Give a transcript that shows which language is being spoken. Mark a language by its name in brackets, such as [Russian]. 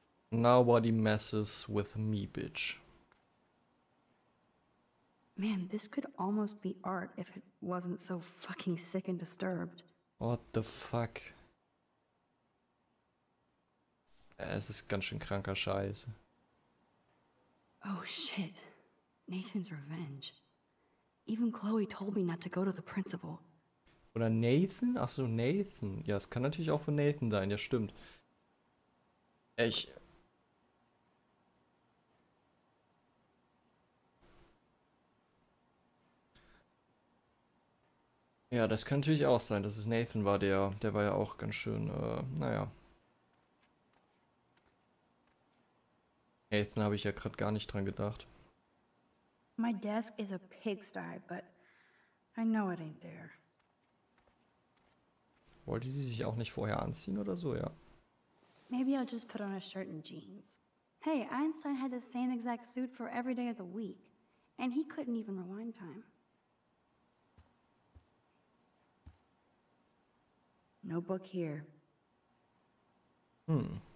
[English] Nobody messes with me, bitch. Man, this could almost be art if it wasn't so fucking sick and disturbed. What the fuck? [German] Es ist ganz schön kranker Scheiß. [English] Oh shit. Nathan's revenge. Even Chloe told me not to go to the principal. [German] Oder Nathan? Achso, Nathan. Ja, es kann natürlich auch von Nathan sein. Ja, stimmt. Ich... Ja, das könnte natürlich auch sein, dass es Nathan war, der war ja auch ganz schön, naja. Nathan habe ich ja gerade gar nicht dran gedacht. [English] My desk is a pigsty, but I know it ain't there. [German] Wollte sie sich auch nicht vorher anziehen oder so, ja? [English] Maybe I'll just put on a shirt and jeans. Hey, Einstein had the same exact suit for every day of the week, and he couldn't even rewind time. No book here. Hmm.